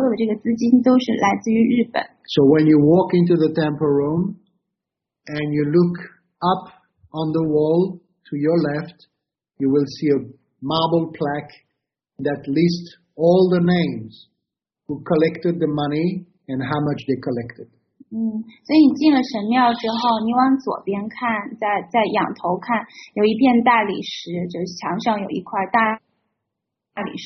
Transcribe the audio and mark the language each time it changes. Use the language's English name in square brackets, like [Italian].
[Chinese] 那可以说建造这个神庙的几乎所有的这个资金都是来自于日本。So [English] when you walk into the temple room and you look up on the wall to your left, you will see a marble plaque that lists all the names who collected the money and how much they collected. [Chinese] 所以你进了神庙之后，你往左边看，在仰头看，有一片大理石，就是墙上有一块大。